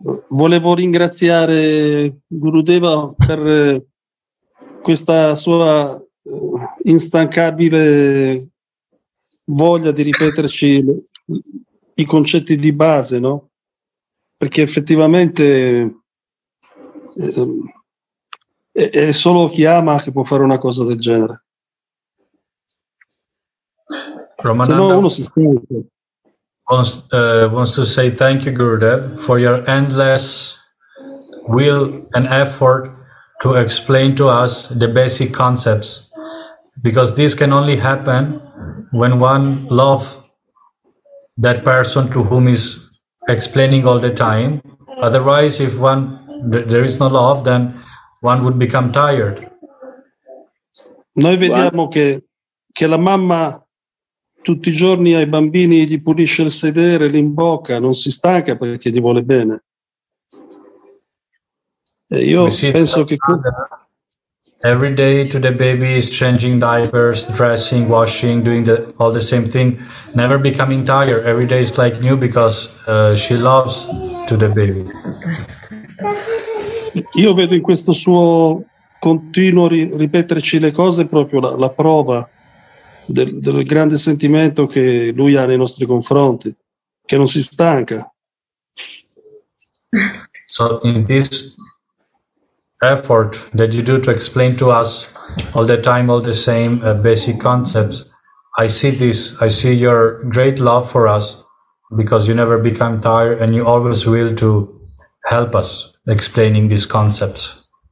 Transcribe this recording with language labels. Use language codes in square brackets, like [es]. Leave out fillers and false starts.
[it] volevo ringraziare Gurudeva per questa sua instancabile voglia di ripeterci i concetti di base, no? Perché effettivamente è solo chi ama che può fare una cosa del genere. Se no uno si stanca. [en] Wants to say thank you, Gurudev, for your endless will and effort to explain to us the basic concepts, because this can only happen when one loves that person to whom is explaining all the time. Otherwise, if one there is no love, then one would become tired. [it] Noi vediamo che la mamma tutti i giorni ai bambini gli pulisce il sedere, li imbocca, non si stanca perché gli vuole bene. E io penso che [en] every day to the baby is changing diapers, dressing, washing, doing all the same thing, never becoming tired. Every day is like new because she loves to the baby. [it] Io vedo in questo suo continuo ripeterci le cose proprio la prova del grande sentimento che lui ha nei nostri confronti, che non si stanca. [en] So in this effort that you do to explain to us all the time all the same basic concepts, I see your great love for us, because you never become tired and you always will to help us explaining these concepts.